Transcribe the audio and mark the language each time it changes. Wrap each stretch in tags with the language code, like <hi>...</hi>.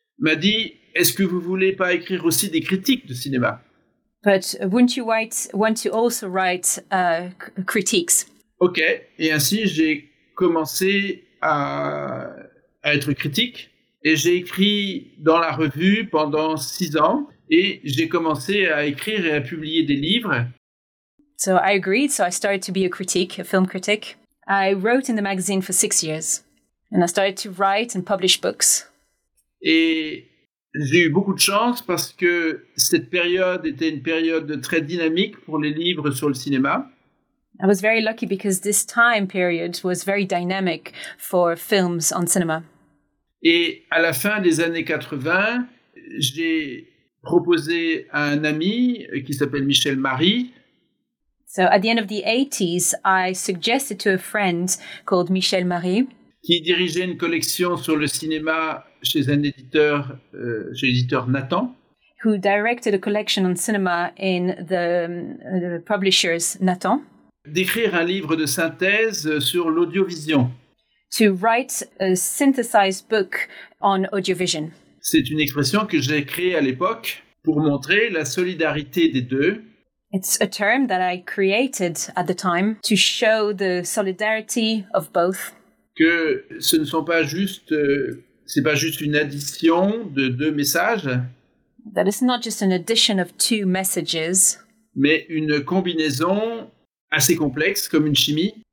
<fr>m'a dit, est-ce que vous voulez pas écrire aussi des critiques de cinéma?</fr> <en>But wouldn't you want to also write critiques?</en> <fr>Ok, et ainsi j'ai commencé à être critique et j'ai écrit dans la revue pendant 6 ans et j'ai commencé à écrire et à publier des livres.</fr> <en>So I agreed, so I started to be a critique, a film critic. I wrote in the magazine for 6 years and I started to write and publish books.</en> <fr>Et j'ai eu beaucoup de chance parce que cette période était une période très dynamique pour les livres sur le cinéma.</fr> <en>I was very lucky because this time period was very dynamic for films on cinema.</en> <fr>Et à la fin des années 80, j'ai proposé à un ami qui s'appelle Michel Marie.</fr> <en>So at the end of the 80s, I suggested to a friend called Michel Marie.</en> <fr>Qui dirigeait une collection sur le cinéma chez un éditeur, chez l'éditeur Nathan.</fr> <en>Who directed a collection on cinema in the publishers Nathan.</en> <fr>D'écrire un livre de synthèse sur l'audiovision.</fr> <en>To write a synthesized book on audiovision.</en> <fr>C'est une expression que j'ai créée à l'époque pour montrer la solidarité des deux.</fr> <en>It's a term that I created at the time to show the solidarity of both.</en> <fr>Que ce ne sont pas juste... C'est pas juste une addition de deux messages.</fr> <en>That is not just an addition of two messages.</en> <fr>Mais une combinaison assez complexe, comme une chimie.</fr>